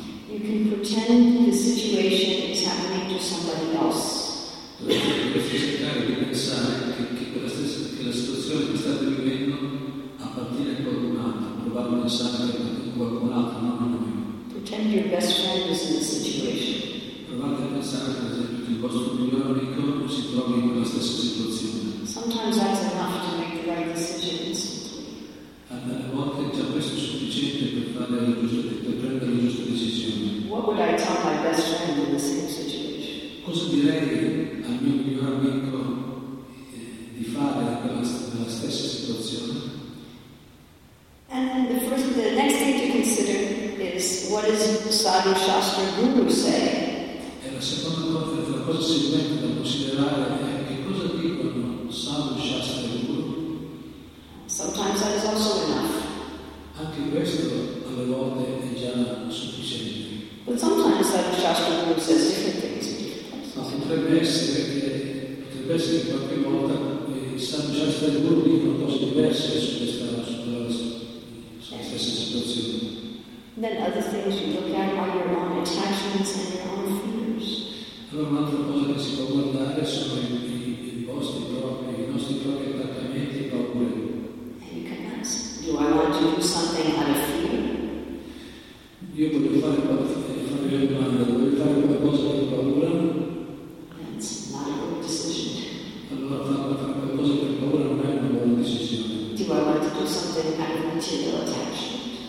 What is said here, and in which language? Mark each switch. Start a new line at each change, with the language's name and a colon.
English: You can pretend the situation is happening to somebody else.
Italian: Dovete cercare di pensare che la situazione che state vivendo appartiene a qualcun altro, provare a pensare a qualcun altro, non a noi.
English: Pretend your best friend is in the situation.
Italian: Provate a pensare che, ad esempio, il vostro migliore amico si trovi in quella stessa situazione.
English: Sometimes that's enough to make the right decisions.
Italian: A volte già questo è sufficiente per fare la giusta, per prendere la giusta decisione.
English: What would I tell my best friend in the same situation?
Italian: Cosa direi al mio migliore amico di fare nella stessa situazione?
English: And the next thing to consider is what is Sadhu Shastra Guru say?
Italian: E la seconda cosa, la cosa seguente da considerare è che cosa dicono Sadhu Shastra Guru.
English: Sometimes that is also enough.
Italian: Anche questo alle volte è già sufficiente.
English: But sometimes Sadhu Shastra Guru says different things.
Italian: Ma potrebbe essere che qualche volta Sadhu Shastra Guru dicono cose diverse sulla stessa situazione.
English: Then other things you look at are your own attachments and your own fears.
Italian: Allora un'altra cosa che si può guardare sono i nostri propri attaccamenti e paure.
English: And you can ask, do I want to do something out of fear?
Italian: Io voglio fare una domanda, voglio fare qualcosa di paura?
English: That's not a good decision.
Italian: Allora fare qualcosa per paura non è una buona decisione.
English: Do I want to do something out of material attachment?